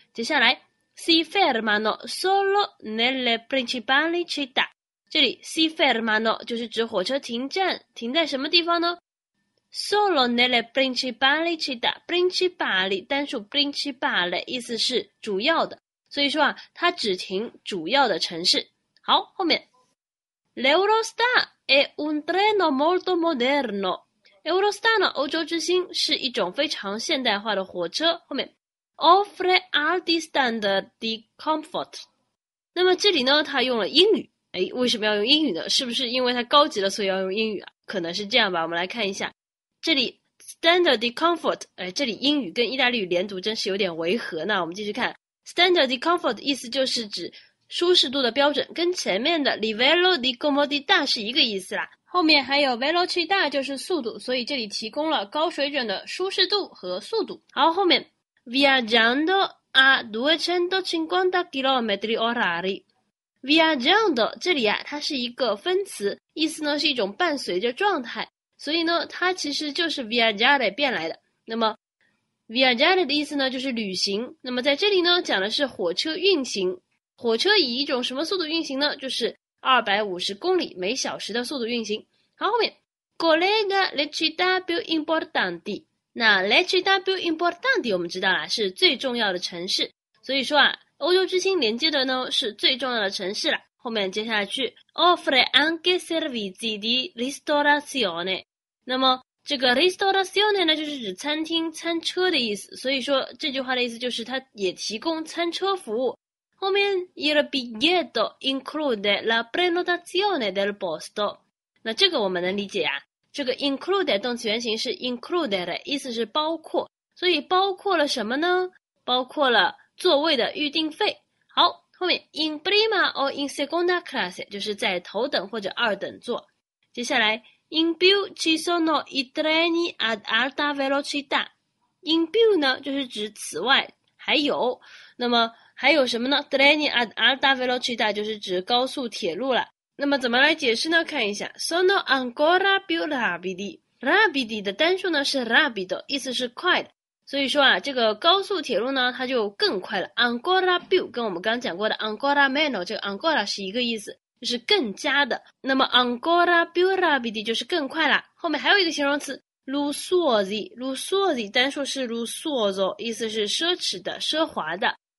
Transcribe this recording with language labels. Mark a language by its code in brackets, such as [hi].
[zh] 接下来 [it] si fermano solo nelle principali città， [zh] 这里 si fermano 就是指火车停站，停在什么地方呢？ [it] Solo nelle principali città, [zh] principali单数 principale 意思是主要的，所以说啊，它只停主要的城市。好，后面 [it] l'Eurostar è un treno molto moderno。 [zh] Eurostar 呢，欧洲之星是一种非常现代化的火车。后面 [it] offre alti standard di comfort。 [zh] 那么这里呢，它用了英语。哎，为什么要用英语呢？是不是因为它高级了，所以要用英语啊？可能是这样吧。我们来看一下。这里 [it] standard de comfort， [zh] 哎，这里英语跟意大利语连读真是有点违和呢。那我们继续看 standard de comfort 意思就是指舒适度的标准，跟前面的 [it] livello di comodità [zh] 是一个意思啦。后面还有 velocità 就是速度，所以这里提供了高水准的舒适度和速度。好，后面 [it] viaggiando a 250 km/h。 [zh] viaggiando 这里啊，它是一个分词，意思呢是一种伴随着状态。所以呢，它其实就是 viaggiare 变来的。那么 viaggiare 的意思呢，就是旅行。那么在这里呢，讲的是火车运行。火车以一种什么速度运行呢？就是250公里每小时的速度运行。好，后面 [it] collega le città più importanti。 [zh] 那 [it] le città più importanti [zh] 我们知道啦，是最重要的城市。所以说啊，欧洲之星连接的呢是最重要的城市啦。后面接下去 [it] offre anche servizi di ristorazione。 [zh] 那么这个 ristorazione 呢，就是指餐厅餐车的意思，所以说这句话的意思就是它也提供餐车服务。后面 [it] il biglietto include la prenotazione del posto。 [zh] 那这个我们能理解啊，这个 include 动词原形是 includere， 意思是包括，所以包括了什么呢？包括了座位的预订费。好，后面 [it] in prima o in seconda classe [zh] 就是在头等或者二等座。接下来 [it] in più ci sono i treni ad alta velocità。 [zh] in più 呢，就是指此外还有。那么还有什么呢？ [it] treni ad alta velocità [zh] 就是指高速铁路了。那么怎么来解释呢？看一下 [it] sono ancora più rapidi。 [zh] rapidi 的单数呢是 rapido， 意思是快的，所以说啊，这个高速铁路呢，它就更快了。 Ancora più 跟我们刚讲过的 [it] Ancora meno， [zh] 这个 Ancora 是一个意思，就是更加的。那么 [it] Ancora più rapidi [zh] 就是更快了。后面还有一个形容词 Lussuosi 单数是 Lussuoso， 意思是奢侈的、奢华的。